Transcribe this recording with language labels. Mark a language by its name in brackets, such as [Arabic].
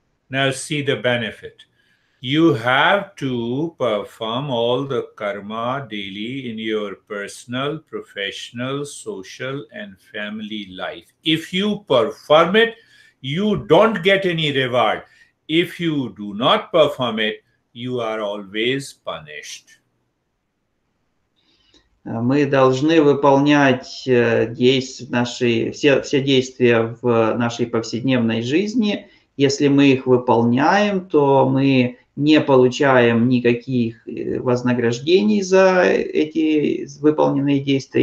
[English] Now see the benefit. You have to perform all the karma daily in your personal, professional, social, and family life. If you perform it, you don't get any reward. If you do not perform it, you are always punished. [Russian] Мы должны выполнять все действия в нашей повседневной жизни. Если мы их выполняем, то мы не получаем никаких вознаграждений за эти выполненные действия.